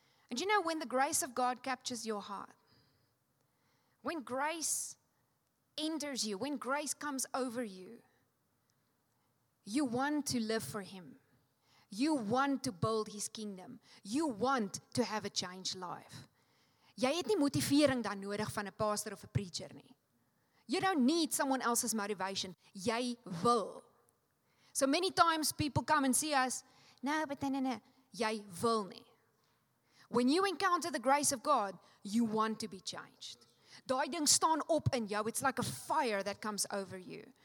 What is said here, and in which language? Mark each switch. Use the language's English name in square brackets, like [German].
[English] And you know, when the grace of God captures your heart, when grace enters you, when grace comes over you, You want to live for him. You want to build his kingdom. You want to have a changed life. [Afrikaans] Jy het nie motivering dan nodig van 'n pastor of 'n preacher nie. [English] You don't need someone else's motivation. [Afrikaans] Jy wil. [English] So many times people come and see us. No, but no. [Afrikaans] Jy wil nie. [English] When you encounter the grace of God, you want to be changed. [Afrikaans] Daai ding staan op in jou. [English] It's like a fire that comes over you.